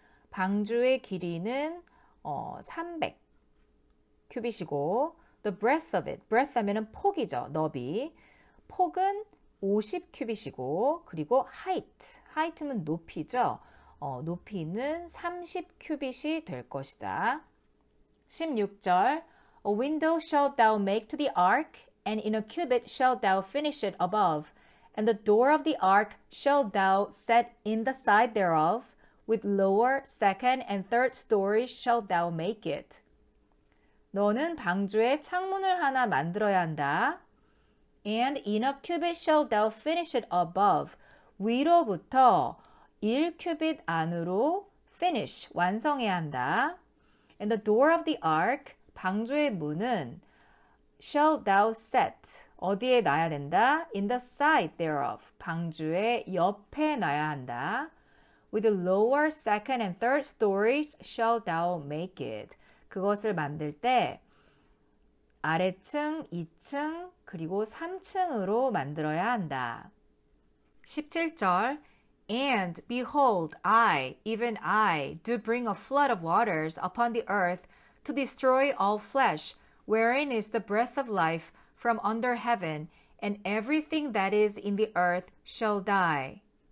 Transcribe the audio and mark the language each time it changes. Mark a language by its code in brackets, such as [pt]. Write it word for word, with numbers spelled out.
[ko] 방주의 길이는 어, 삼백 큐빗이고 [en] the breadth of it, [ko] breadth 하면은 폭이죠. 너비. 폭은 오십 큐빗이고 그리고 height, height는 높이죠. 어, 높이는 삼십 큐빗이 될 것이다. 십육 절 [en] A window shalt thou make to the ark, and in a cubit shalt thou finish it above, and the door of the ark shalt thou set in the side thereof, with lower, second, and third stories shalt thou make it. [ko] 너는 방주에 창문을 하나 만들어야 한다. [en] And in a cubit shalt thou finish it above. [ko] 위로부터 일 큐빗 안으로 [en] finish, [ko] 완성해야 한다. [en] And the door of the ark, [ko] 방주의 문은 [en] shalt thou set, [ko] 어디에 놔야 된다? [en] In the side thereof, [ko] 방주의 옆에 놔야 한다. [en] With the lower, second, and third stories shalt thou make it. [ko] 그것을 만들 때 아래층, 이 층, 그리고 삼 층으로 만들어야 한다. 십칠 절 [en] And behold, I, even I, do bring a flood of waters upon the earth to destroy all flesh, wherein is the breath of life from under heaven, and everything that is in the earth shall die.